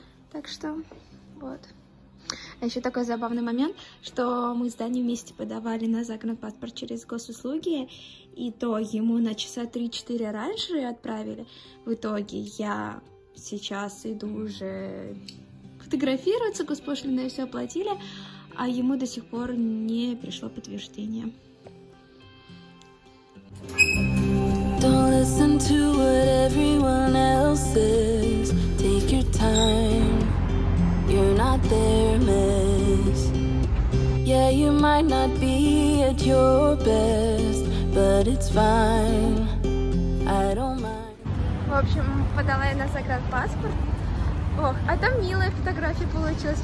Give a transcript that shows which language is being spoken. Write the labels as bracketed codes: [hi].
[ru] Так что, вот. А еще такой забавный момент, что мы с Даней вместе подавали на загранпаспорт через госуслуги, и то ему на часа 3-4 раньше отправили. В итоге я сейчас иду уже фотографироваться, госпошлины все оплатили, а ему до сих пор не пришло подтверждение. [en] Don't listen to what everyone else says. Take your time. You're not their mess. Yeah, you might not be at your best, but it's fine. I don't mind. [ru] В общем, подала я на загранпаспорт. Ох, а там милая фотография получилась.